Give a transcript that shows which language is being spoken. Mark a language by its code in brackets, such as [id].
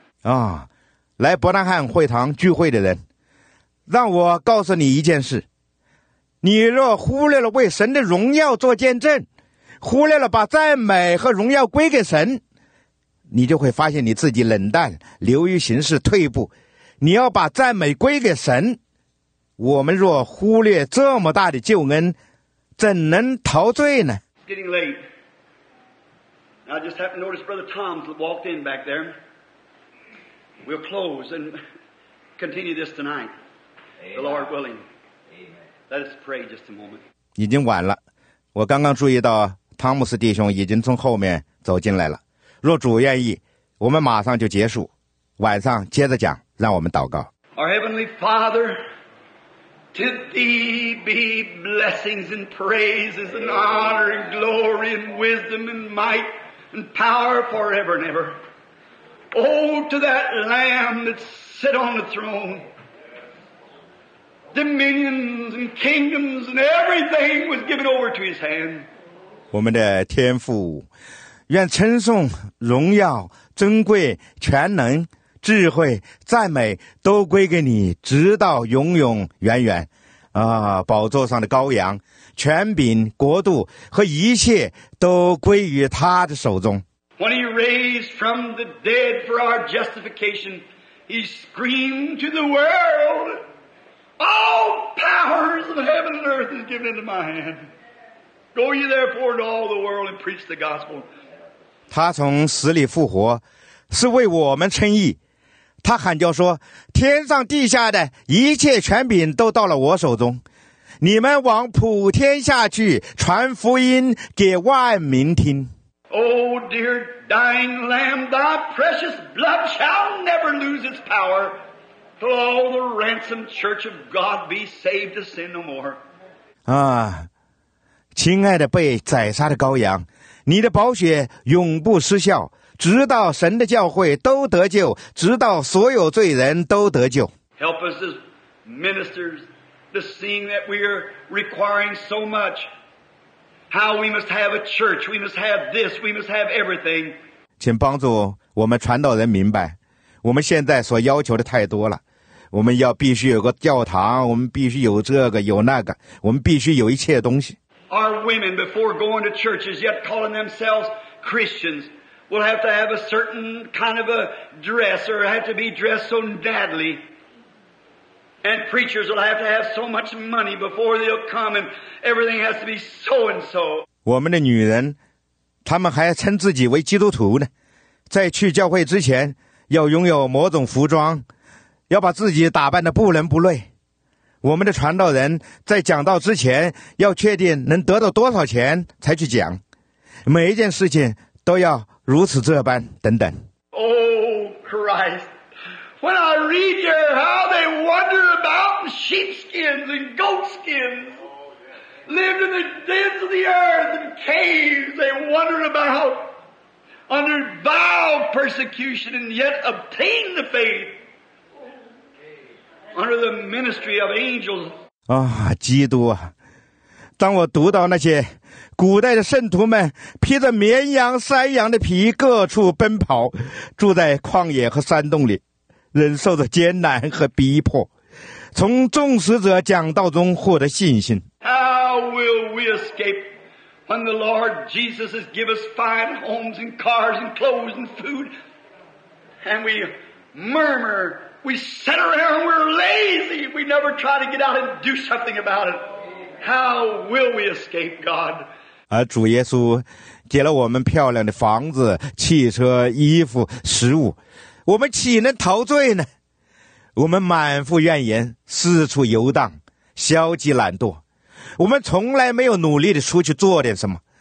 [zh] 啊，来伯纳罕会堂聚会的人，让我告诉你一件事：你若忽略了为神的荣耀做见证。忽略了把赞美和荣耀归给神，你就会发现你自己冷淡，流于形式，退步。你要把赞美归给神。我们若忽略这么大的救恩，怎能陶醉呢？ [en] It's getting late. I just happened to notice Brother Tom walked in back there. We'll close and continue this tonight. The Lord willing. Let us pray just a moment. [zh] 已经晚了。我刚刚注意到汤姆斯弟兄已经从后面走进来了，若主愿意，我们马上就结束，晚上接着讲，让我们祷告。 [en] Our Heavenly Father, to Thee be blessings and praises and honor and glory and wisdom and might and power forever and ever. Oh, to that Lamb that sit on the throne, dominions and kingdoms and everything was given over to His hand. [zh] 我们的天父，愿称颂、荣耀、尊贵、全能、智慧、赞美都归给你，直到永永远远。啊，宝座上的羔羊、权柄、国度和一切都归于他的手中。 [en] When He raised from the dead for our justification, He screamed to the world, All powers of heaven and earth is given into my hand. Go ye therefore into all the world and preach the gospel. [zh] 他从死里复活，是为我们称义。他喊叫说：天上地下的一切权柄都到了我手中。你们往普天下去，传福音给万民听。 [en] Oh, dear dying Lamb, thy precious blood shall never lose its power. Till all the ransomed church of God be saved to sin no more. [zh] 啊。亲爱的被宰杀的羔羊，你的宝血永不失效，直到神的教会都得救，直到所有罪人都得救。 [en] Help us as ministers to see that we are requiring so much. How we must have a church, we must have this, we must have everything. [zh] 请帮助我们传道人明白，我们现在所要求的太多了。我们要必须有个教堂，我们必须有这个有那个，我们必须有一切东西。 [en] Our women, before going to churches, yet calling themselves Christians, will have to have a certain kind of a dress, or have to be dressed so badly. And preachers will have to have so much money before they'll come, and everything has to be so and so. [zh] 我们的女人，她们还称自己为基督徒呢，在去教会之前，要拥有某种服装，要把自己打扮得不伦不类。我们的传道人在讲道之前要确定能得到多少钱才去讲，每一件事情都要如此这般等等。 [en] Oh Christ, when I read you how they wander about in sheepskins and goatskins, lived in the dens of the earth and caves, they wandered about under vile persecution and yet obtained the faith. Under the ministry of angels. [zh] 啊，基督啊！当我读到那些古代的圣徒们披着绵羊、山羊的皮各处奔跑，住在旷野和山洞里，忍受着艰难和逼迫，从众使者讲道中获得信心。 [en] How will we escape when the Lord Jesus has given us fine homes and cars and clothes and food, and we murmur? We sit around, we're lazy. We never try to get out and do something about it. How will we escape God? [zh] 而主耶稣给了我们漂亮的房子、汽车、衣服、食物，我们岂能陶醉呢？我们满腹怨言，四处游荡，消极懒惰，我们从来没有努力地出去做点什么。